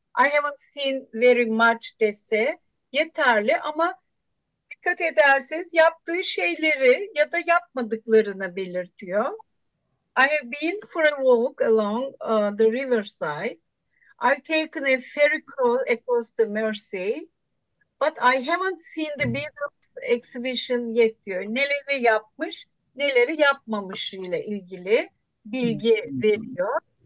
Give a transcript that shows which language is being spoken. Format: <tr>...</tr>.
<en>I haven't seen very much</en> <tr>dese yeterli, ama dikkat ederseniz yaptığı şeyleri ya da yapmadıklarını belirtiyor.</tr> <en>I have been for a walk along the riverside. I've taken a ferry crawl across the Mersey, but I haven't seen the Beatles exhibition yet</en> <tr>diyor. Neleri yapmış, neleri yapmamış ile ilgili bilgi veriyor.</tr>